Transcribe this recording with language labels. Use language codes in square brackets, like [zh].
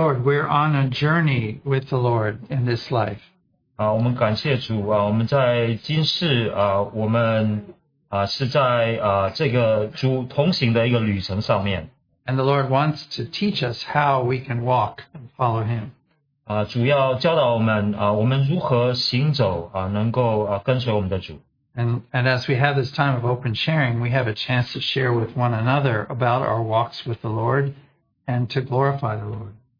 [en] Lord, we're on a journey with the Lord in this life. [zh] 我们感谢主，我们在今世，我们是在这个主同行的一个旅程上面。 [en] And the Lord wants to teach us how we can walk and follow Him. [zh] 主要教导我们，我们如何行走，能够跟随我们的主。 [en] And as we have this time of open sharing, we have a chance to share with one another about our walks with the Lord and to glorify the Lord.